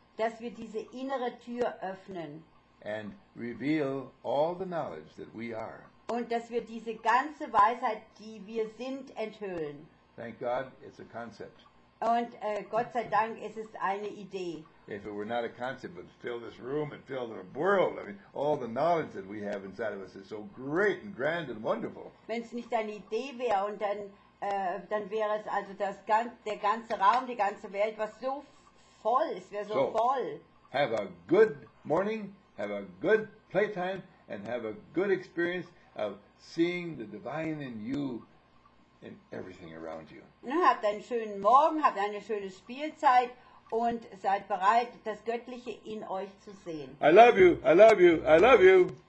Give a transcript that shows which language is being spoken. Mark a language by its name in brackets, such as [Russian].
[German] Dass wir diese innere Tür öffnen. [English] And reveal all the knowledge that we are. [German] Und dass wir diese ganze Weisheit, die wir sind, enthüllen. [English] Thank God, it's a concept. [German] Und Gott sei Dank, es ist eine Idee. [English] If it were not a concept, but fill this room and fill the world. I mean, all the knowledge that we have inside of us is so great and grand and wonderful. [German] Wenn es nicht eine Idee wäre, und dann wäre es also der ganze Raum, die ganze Welt, was so voll ist, wäre so voll. [English] Have a good morning. Have a good playtime and have a good experience of seeing the divine in you in everything around you. [German] Habt einen schönen Morgen, habt eine schöne Spielzeit und seid bereit, das Göttliche in euch zu sehen. [English] I love you, I love you, I love you.